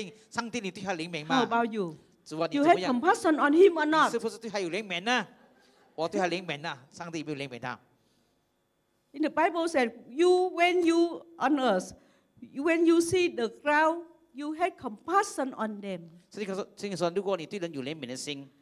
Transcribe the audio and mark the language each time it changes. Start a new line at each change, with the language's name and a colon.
Chinese: 我说我对他有怜悯的心，上帝，你对他怜悯吗？
English: How about you?
Chinese: 主啊，你怎么样？
English: You have compassion on him or not?
Chinese: 是不是对他有怜悯呢？我对他怜悯呢，上帝有没有怜悯他？
English: In the Bible said, you when you on earth, when you see the crowd, you had compassion on them.
Chinese: 圣经说，如果你对人有怜悯的心，